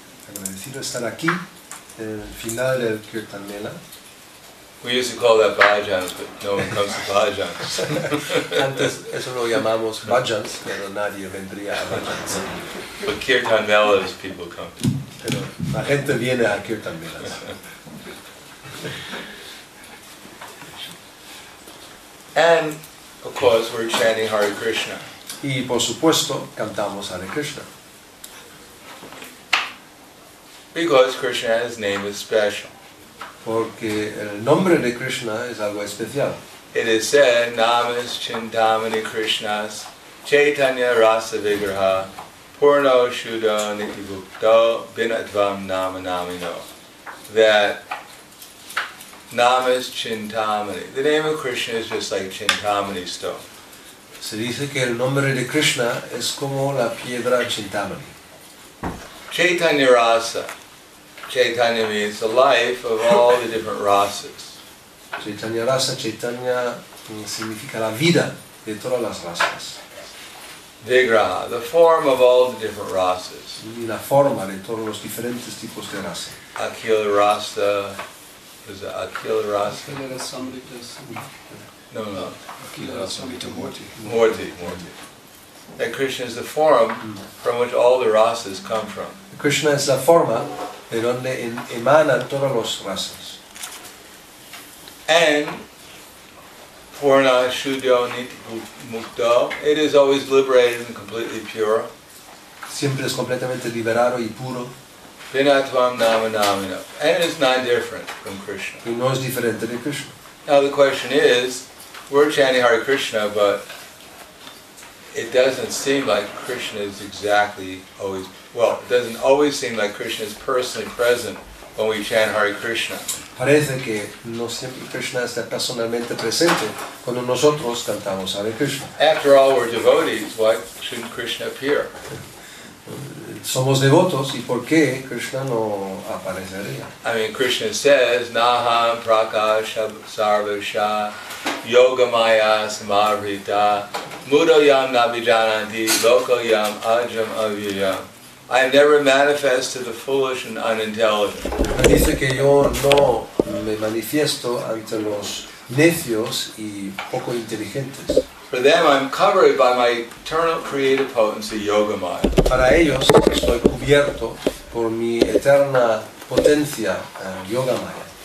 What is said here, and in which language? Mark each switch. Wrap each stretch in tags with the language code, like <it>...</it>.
<es>Agradecido estar aquí en el final del Kirtan Mela.</es> <en>We used to call that bhajans, but no one comes to bhajans.</en> <es>Antes eso lo llamamos bhajans, pero nadie vendría a bhajans.</es> <en>But kirtan melas people come to.</en> <es>Pero la gente viene a kirtan melas.</es> <en>And, of course, we're chanting Hare Krishna.</en> <es>Y, por supuesto, cantamos Hare Krishna.</es> <en>Because Krishna's name is special.</en> <es>porque el nombre de Krishna es algo especial.</es> <en>It is said,</en> <sa>Namas Chintamani Krishnas, Chaitanya Rasa Vigraha, Purno Shudo Nitibukto Binatvam Namanamino.</sa> <en>That</en> <sa>Namas Chintamani,</sa> <en>the name of Krishna is just like Chintamani stone.</en> <es>Se dice que el nombre de Krishna es como la piedra Chintamani.</es> <sa>Chaitanya Rasa.</sa> <en>Chaitanya means the life of all the different rasas.</en> <es>Chaitanya Rasa, Chaitanya significa la vida de todas las rasas.</es> <en>Vigraha, the form of all the different rasas.</en> <es>Y la forma de todos los diferentes tipos de rasa.</es> <sa>Akhila Rasa.</sa> <en>Is it</en> <sa>Akhila Rasa? Akhila Rasa Samrita.</sa> <es>No, no.</es> <sa>Akhila Rasa Samrita Murti. Murti, Murti.</sa> <en>That Krishna is the form from which all the rasas come from.</en> <es>Krishna es la forma de donde emanan todas las rasas.</es> <en>And</en> <sa>Purna Shudyo Niti Mukto,</sa> <en>it is always liberated and completely pure.</en> <es>Siempre es completamente liberado y puro.</es> <sa>Vinatvam Nama Namina.</sa> <en>And it is not different from Krishna.</en> <es>Y no es diferente de Krishna.</es> <en>Now the question is, we're chanting Hare Krishna, but it doesn't seem like Krishna is exactly always, well, it doesn't always seem like Krishna is personally present when we chant Hare Krishna.</en> <es>Parece que no siempre Krishna está personalmente presente cuando nosotros cantamos Hare Krishna.</es> <en>After all, we're devotees, why shouldn't Krishna appear?</en> <es>Somos devotos, ¿y por qué Krishna no aparecería?</es> <en>I mean, Krishna says,</en> <sa>Naham prakasha sarvasha yogamaya samavrita mudayam nabijananti lokayam ajam avyayam.</sa> <en>I never manifest to the foolish and unintelligent.</en> <es>Dice que yo no me manifiesto ante los necios y poco inteligentes.</es> <en>For them, I'm covered by my eternal creative potency, yoga mind.</en> <es>Para ellos, estoy cubierto por mi eterna potencia, yoga mind.</es>